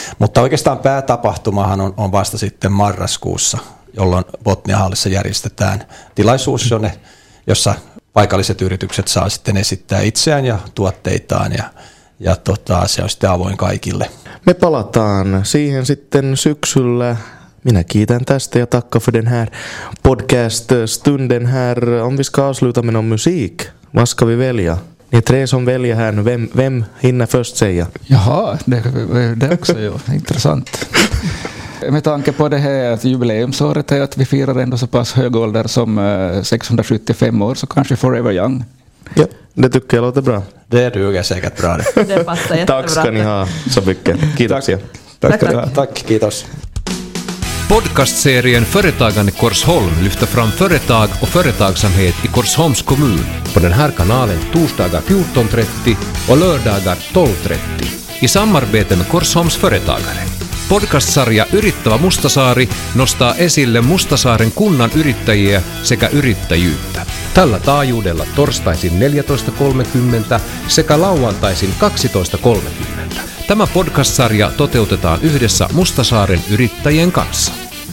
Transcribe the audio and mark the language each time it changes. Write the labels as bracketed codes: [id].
[fi] Mutta oikeastaan päätapahtumahan on vasta sitten marraskuussa, jolloin Botnia-hallissa järjestetään tilaisuus, jossa paikalliset yritykset saa sitten esittää itseään ja tuotteitaan ja se on sitten avoin kaikille. Me palataan siihen sitten syksyllä. Minä kiitän tästä ja [sv] tackar för den här podcaststunden här. Om vi ska avsluta med någon musik, vad ska vi välja? Ni tre som väljer här nu, vem hinner först säga? Jaha, det också är ju intressant. Med tanke på det här att jubileumsåret är att vi firar ändå så pass hög ålder som 675 år, så kanske Forever Young. Ja, det tycker jag låter bra. Det är du och jag säkert bra. Det passar jättebra. Tack ska ni ha så mycket. [fi] Kiitoksia. [sv] Tack, [fi] kiitos. [sv] Podcastserien Företagande Korsholm lyfter fram företag och företagsamhet i Korsholms kommun på den här kanalen torsdagar 14.30 och lördagar 12.30 i samarbete med Korsholms företagare. [fi] Podcastsarja Yrittävä Mustasaari nostaa esille Mustasaaren kunnan yrittäjiä sekä yrittäjyyttä. Tällä taajuudella torstaisin 14.30 sekä lauantaisin 12.30. Tämä podcast-sarja toteutetaan yhdessä Mustasaaren yrittäjien kanssa.